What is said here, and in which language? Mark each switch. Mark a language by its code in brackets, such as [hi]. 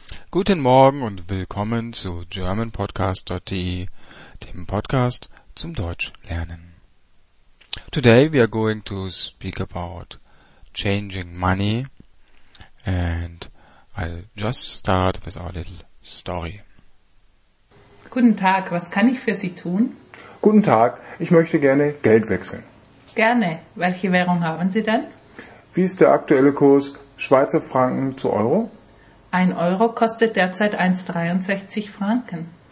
[de] Guten Morgen und willkommen zu GermanPodcast.de, dem Podcast zum Deutschlernen. [en] Today we are going to speak about changing money and I'll just start with our little story. [de] Guten Tag, was kann ich für Sie tun? Guten Tag, ich möchte gerne Geld wechseln. Gerne. Welche Währung haben Sie denn? Wie ist der aktuelle Kurs Schweizer Franken zu Euro? Ein Euro kostet derzeit 1,63 Franken.